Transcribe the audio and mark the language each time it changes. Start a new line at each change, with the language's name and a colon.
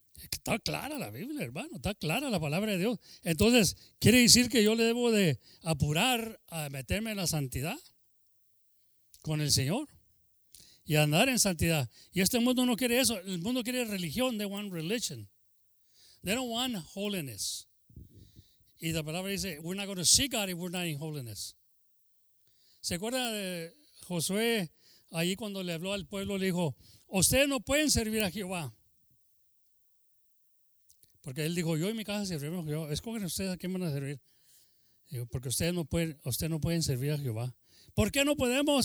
Spanish: Está clara la Biblia, hermano, está clara la palabra de Dios. Entonces, ¿quiere decir que yo le debo de apurar a meterme en la santidad con el Señor y andar en santidad? Y este mundo no quiere eso, el mundo quiere religión.
English: They want religion, they don't want holiness.
Spanish: Y la palabra dice,
English: we're not going to see God if we're not in holiness.
Spanish: ¿Se acuerda de Josué ahí cuando le habló al pueblo? Le dijo, ustedes no pueden servir a Jehová, porque él dijo, yo y mi casa servimos a Jehová. Escogen ustedes a quién van a servir, porque ustedes no pueden servir a Jehová. ¿Por qué no podemos?